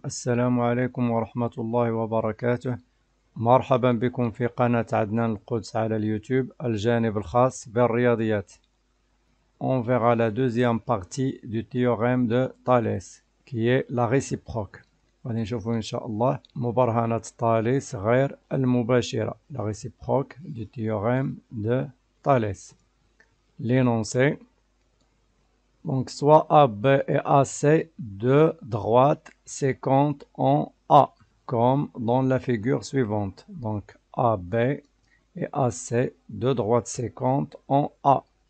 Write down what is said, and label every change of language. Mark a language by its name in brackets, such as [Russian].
[Arabic] السلام عليكم ورحمة الله وبركاته. مرحبا بكم في قناة عدنان القدس على اليوتيوب، الجانب الخاص بالرياضيات. [French] On verra la deuxième partie du théorème de Thalès qui est la réciproque. [Arabic] غادي نشوفوا ان شاء الله مبرهنة طاليس غير المباشرة، [French] la réciproque du théorème de Thalès. L'énoncé. Donc, soit AB et AC, deux droites séquentes ont A, comme dans la figure suivante. Donc, AB et AC, deux droites séquentes ont A.